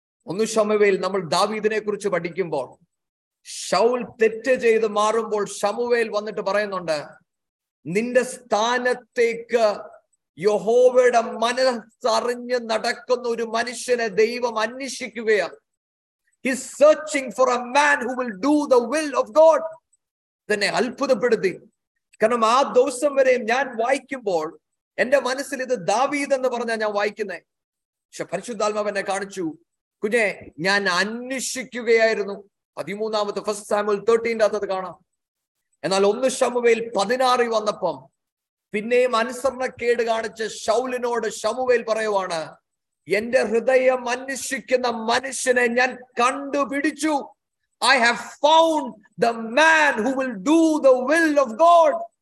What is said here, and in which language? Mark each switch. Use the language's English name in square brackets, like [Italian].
[Malayalam] ഒന്നു ശമുവേൽ, നമ്മൾ ദാവീദിനെ കുറിച്ച് പഠിക്കുമ്പോൾ ശൗൽ തെറ്റ് ചെയ്ത് മാറുമ്പോൾ ശമുവേൽ വന്നിട്ട് പറയുന്നുണ്ട്, നിന്റെ സ്ഥാനത്തേക്ക് യഹോവയുടെ മനസ്സറിഞ്ഞ് നടക്കുന്ന ഒരു മനുഷ്യനെ ദൈവം അന്വേഷിക്കുകയാണ്. [English] He's searching for a man who will do the will of God. [Malayalam] തന്നെ അത്ഭുതപ്പെടുത്തി. കാരണം ആ ദിവസം വരെയും ഞാൻ വായിക്കുമ്പോൾ എന്റെ മനസ്സിൽ ഇത് ദാവീദ് എന്ന് പറഞ്ഞാ ഞാൻ വായിക്കുന്നത്. പക്ഷെ പരിശുദ്ധാത്മാവ് എന്നെ കാണിച്ചു, കുഞ്ഞെ ഞാൻ അന്വേഷിക്കുകയായിരുന്നു. 13 1 Samuel 13 അത് കാണാം. എന്നാൽ 1 Samuel 16 വന്നപ്പം പിന്നെയും അനുസരണക്കേട് കാണിച്ച ശൗലിനോട് ശമുവേൽ പറയുവാണ്, എന്റെ ഹൃദയം അന്വേഷിക്കുന്ന മനുഷ്യനെ ഞാൻ കണ്ടുപിടിച്ചു. [English] I have found the man who will do the will of God.